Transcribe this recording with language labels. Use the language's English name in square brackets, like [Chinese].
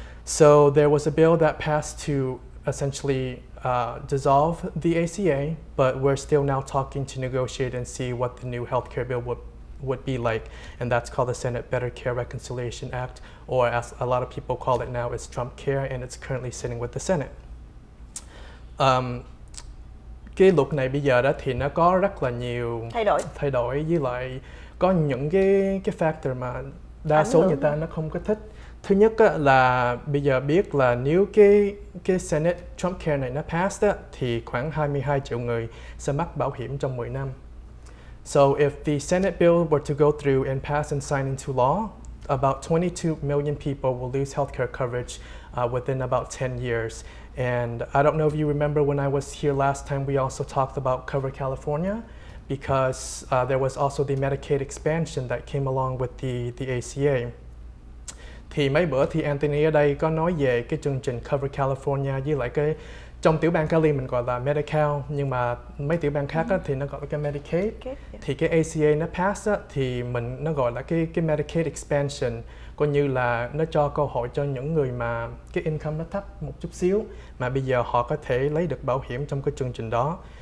[English] So there was a bill that passed to essentially dissolve the ACA, but we're still now talking to negotiate and see what the new healthcare bill would be like, and that's called the Senate Better Care Reconciliation Act, or as a lot of people call it now, it's Trump Care, and it's currently sitting with the Senate. [Vietnamese] Cái luật này bây giờ đó thì nó có rất là nhiều thay đổi với lại có những cái factor mà đa số người ta nó không có thích. Thứ nhất là bây giờ biết là nếu cái Senate Trump Care này nó passed thì khoảng 22 triệu người sẽ mắc bảo hiểm trong 10 năm. [English] So if the Senate bill were to go through and pass and sign into law, about 22 million people will lose healthcare coverage within about 10 years. And I don't know if you remember when I was here last time, we also talked about Cover California, because there was also the Medicaid expansion that came along with the ACA. [Vietnamese] Thì mấy bữa thì Anthony ở đây có nói về cái chương trình Cover California với lại cái trong tiểu bang Cali mình gọi là Medi-Cal, nhưng mà mấy tiểu bang khác thì nó gọi là cái Medicaid. [English] Okay, yeah. [Vietnamese] Thì cái ACA nó pass thì mình nó gọi là cái Medicaid expansion, coi như là nó cho cơ hội cho những người mà cái income nó thấp một chút xíu mà bây giờ họ có thể lấy được bảo hiểm trong cái chương trình đó.